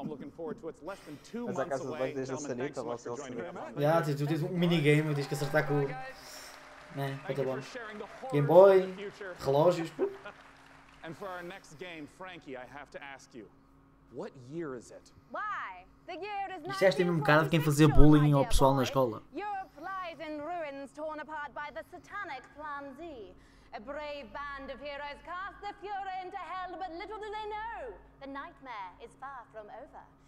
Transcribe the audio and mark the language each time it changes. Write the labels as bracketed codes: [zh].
[en] I'm looking forward to it. It's less than 2 months away. Gentlemen, thanks so much for joining. [pt] Yeah, tu tens um minigame, tens que acertar com... Né, muito bom. Game Boy, relógios. [en] And for our next game, Frankie, I have to ask you. What year is it? Why? [pt] Disseste mesmo um cara de quem fazia bullying ao pessoal na escola. [en] In ruins torn apart by the satanic plan Z. A brave band of heroes cast the Führer into hell, but little do they know, the nightmare is far from over.